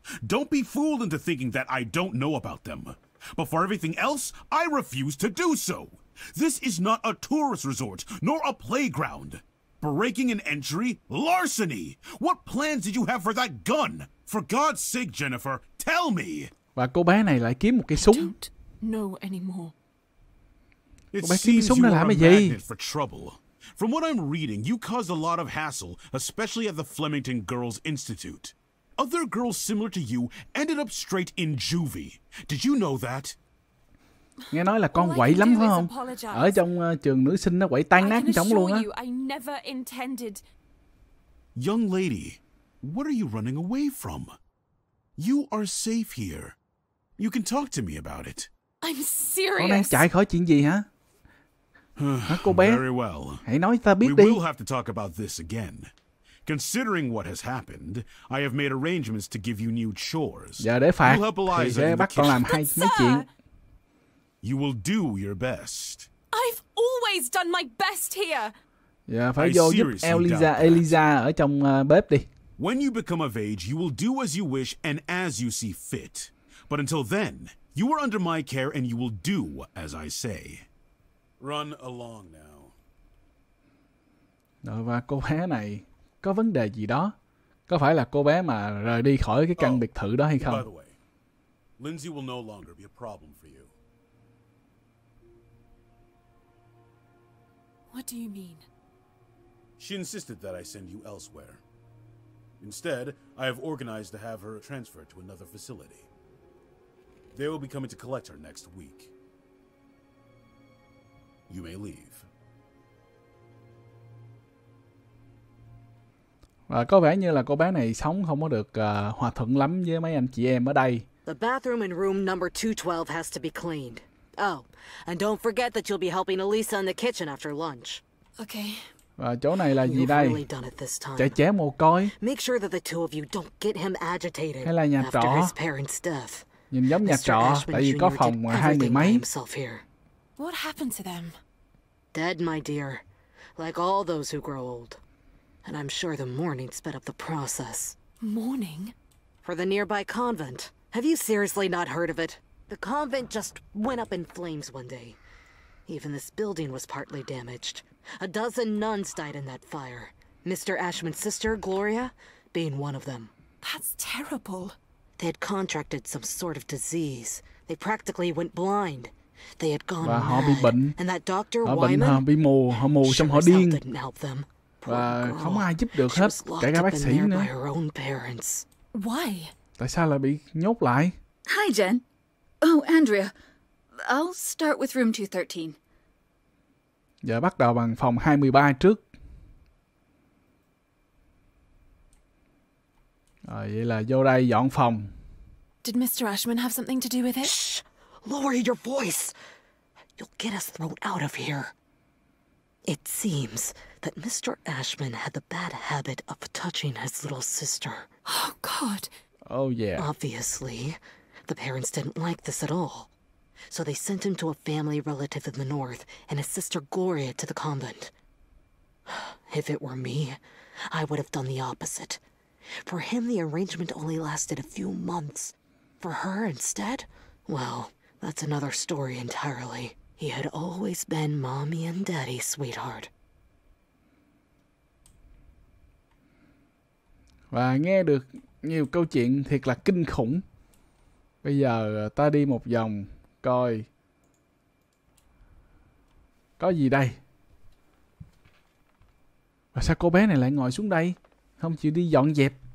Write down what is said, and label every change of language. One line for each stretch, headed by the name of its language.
English: Don't be fooled into thinking that I don't know about them. But for everything else, I refuse to do so. This is not a tourist resort, nor a playground. Breaking an entry? Larceny! What plans did you have for that gun? For God's sake, Jennifer, tell me!
Vietnamese: Và cô bé này lại kiếm một cái súng.
English: I don't know anymore.
Vietnamese: Cô bé kiếm cái súng này làm cái gì?
English: For trouble. From what I'm reading, you caused a lot of hassle, especially at the Flemington Girls Institute. Other girls similar to you ended up straight in juvie. Did you know that?
Vietnamese: Nghe nói là con quậy lắm phải không? Ở trong trường nữ sinh nó quậy tan nát trống luôn á.
English: I never intended. Young lady, what are you running away from? You are safe here. You can talk to me about it. I'm serious.
Vietnamese: Con đang chạy khỏi chuyện gì hả? Hả cô bé?
English: Very well.
Vietnamese: Hãy nói ta biết
English: we
Vietnamese: đi.
English: We will have to talk about this again. Considering what has happened, I have made arrangements to give you new chores.
Vietnamese: Giờ để phạt thì sẽ bắt con làm hai mấy chuyện.
English: You will do your best. I've always done my best here.
Vietnamese: Yeah, phải vô giúp Eliza ở trong bếp đi.
English: When you become of age, you will do as you wish and as you see fit. But until then, you are under my care and you will do as I say. Run along now.
Vietnamese: Đó, và cô bé này có vấn đề gì đó? Có phải là cô bé mà rời đi khỏi cái căn biệt thự đó hay không?
English: By the way, Lindsay will no longer be a problem for you. What do you mean? She insisted that I send you elsewhere. Instead, I have organized to have her transferred to another facility. They will be coming to collect her next week. You may leave.
Vietnamese: Và có vẻ như là cô bé này sống không có được hòa thuận lắm với mấy anh chị em ở đây.
English: The bathroom in room number 212 has to be cleaned. Oh, and don't forget that you'll be helping Elisa in the kitchen after lunch. Okay.
Vietnamese: Và chỗ này là gì đây? Chạy chẽ mồ côi.
English: Make sure that the two of you don't get him agitated.
Vietnamese: Hay là nhà trọ.
English: After his parents' death.
Vietnamese: Nhìn giống nhà trọ, tại vì có phòng mà hai người mấy.
English: What happened to them? Dead, my dear. Like all those who grow old. And I'm sure the mourning sped up the process. Mourning? For the nearby convent. Have you seriously not heard of it? The convent just went up in flames one day. Even this building was partly damaged. A dozen nuns died in that fire. Mr. Ashman's sister, Gloria, being one of them. That's terrible. They had contracted some sort of disease. They practically went blind. They had gone
Vietnamese: và
English: mad.
Vietnamese: Họ bị bệnh.
English: And that doctor,
Vietnamese: họ
English: Wyman,
Vietnamese: bệnh, họ bị mù, họ mù trong họ điên.
English: Didn't help them.
Vietnamese: Và không ai giúp được hết, kể cả bác sĩ nữa.
English: Why?
Vietnamese: Tại sao lại bị nhốt lại?
English: Hi, Jen. Oh, Andrea. I'll start with room 213.
Vietnamese: Giờ bắt đầu bằng phòng 23 trước. Rồi, vậy là vô đây dọn phòng.
English: Did Mr. Ashman have something to do with it? Shh! Lower your voice! You'll get us thrown out of here. It seems that Mr. Ashman had the bad habit of touching his little sister. Oh, God! Oh, yeah. Obviously, the parents didn't like this at all. So they sent him to a family relative in the north, and his sister Gloria to the convent. If it were me, I would have done the opposite. For him, the arrangement only lasted a few months. For her, instead? Well, that's another story entirely. He had always been Mommy and Daddy's sweetheart.
Vietnamese: Và nghe được nhiều câu chuyện thiệt là kinh khủng. Bây giờ ta đi một vòng coi có gì đây. Và sao cô bé này lại ngồi xuống đây, không chịu đi dọn dẹp?